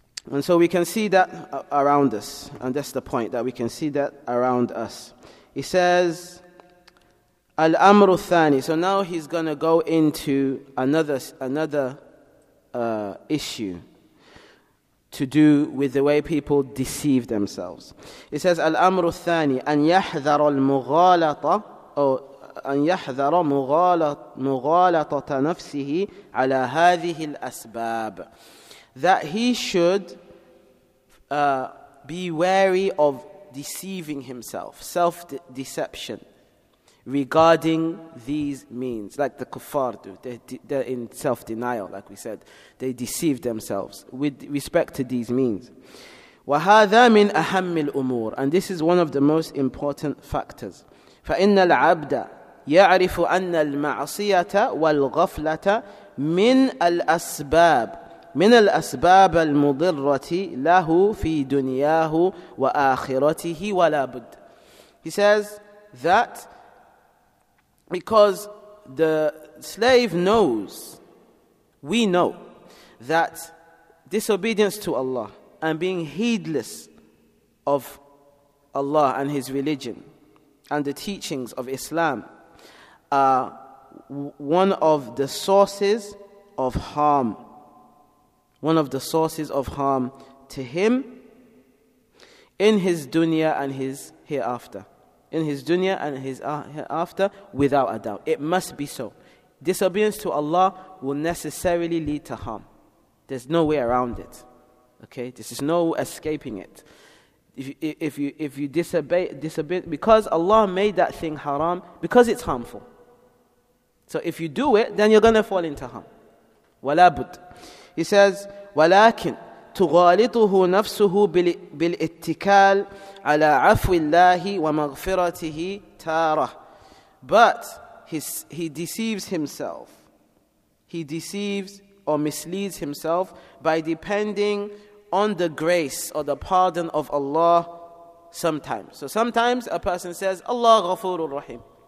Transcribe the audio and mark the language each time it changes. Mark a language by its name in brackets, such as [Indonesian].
[English] And so we can see that around us. And that's the point, that we can see that around us. He says, [Arabic] Al-Amru Thani. [English] So now he's going to go into another issue to do with the way people deceive themselves. It says, [Arabic] Al-Amru Thani, أن يحذر المغالطة أو أن يحذر مغالطة نفسه على هذه الأسباب. [English] That he should be wary of deceiving himself, self-deception, regarding these means, like the kuffar do. They're in self-denial, like we said. They deceive themselves with respect to these means. [Arabic] وَهَذَا مِنْ أَهَمِّ الْأُمُورِ. [English] And this is one of the most important factors. [Arabic] فَإِنَّ الْعَبْدَ يَعْرِفُ أَنَّ الْمَعْصِيَةَ وَالْغَفْلَةَ مِنْ الْأَسْبَابِ من الأسباب المضرة له في دنياه وآخرته ولا بد. [English] He says that because the slave knows, we know, that disobedience to Allah and being heedless of Allah and His religion and the teachings of Islam are one of the sources of harm. One of the sources of harm to him in his dunya and his hereafter. In his dunya and his hereafter, without a doubt. It must be so. Disobedience to Allah will necessarily lead to harm. There's no way around it. Okay? This is no escaping it. If you disobey, because Allah made that thing haram, because it's harmful. So if you do it, then you're going to fall into harm. [Arabic] Wala bud. [English] He says, [Arabic] ولكن تغالطه نفسه بالاتكال على عفو الله ومغفرته تارة. [English] But he deceives himself. He deceives or misleads himself by depending on the grace or the pardon of Allah sometimes. So sometimes a person says, Allah [Arabic] غفور الرحيم.